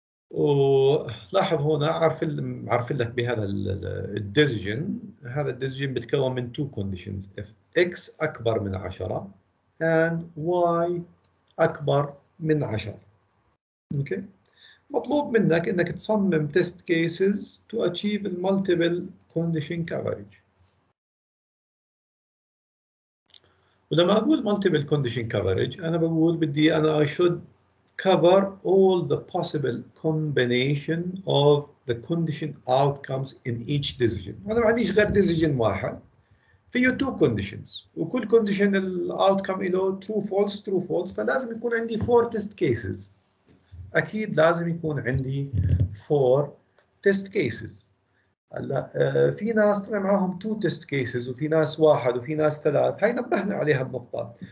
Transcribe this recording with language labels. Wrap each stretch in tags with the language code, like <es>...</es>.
<ar>ولاحظ هنا عارف لك بهذا الديسيجن، هذا الديسيجن بتكون من</ar> <en>two conditions: if x</en> <ar>اكبر من 10</ar> <en>and y</en> <ar>اكبر من 10. اوكي، مطلوب منك انك تصمم</ar> <en>test cases to achieve multiple condition coverage.</en> <ar>ولما اقول</ar> <en>multiple condition coverage</en> <ar>انا بقول بدي انا</ar> <en>I should cover all the possible combination of the condition outcomes in each decision.</en> <ar>انا ما عنديش غير decision واحد فيه</ar> <en>two conditions،</en> <ar>وكل condition outcome له</ar> <en>true false true false،</en> <ar>فلازم يكون عندي</ar> <en>4 test cases.</en> <ar>اكيد لازم يكون عندي</ar> <en>4 test cases.</en> <ar>هلا في ناس طلع معاهم 2 تيست كيسز، وفي ناس واحد، وفي ناس 3، هاي نبهنا عليها بنقطه.</ar>